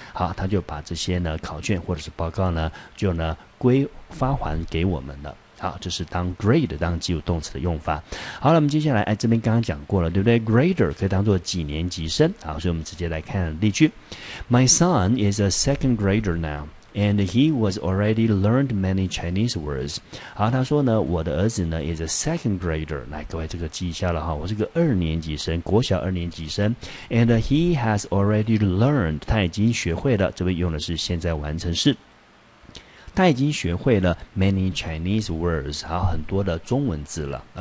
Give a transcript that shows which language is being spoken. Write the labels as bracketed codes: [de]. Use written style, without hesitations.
[zh] 好，他就把这些呢考卷或者是报告呢，就呢归发还给我们了。好，这是当 grade 当及物动词的用法。好了，我们接下来，哎，这边刚刚讲过了，对不对 ？grader 可以当作几年级生。好，所以我们直接来看例句 ： [en] My son is a second grader now。 And he was already learned many Chinese words. [zh] 好，他说呢，我的儿子呢 [en] is a second grader. [zh] 来，各位这个记一下了哈，我是个二年级生，国小二年级生。 [en] And he has already learned. [zh] 他已经学会了，这边用的是现在完成式。他已经学会了 [en] many Chinese words， [zh] 好，很多的中文字了。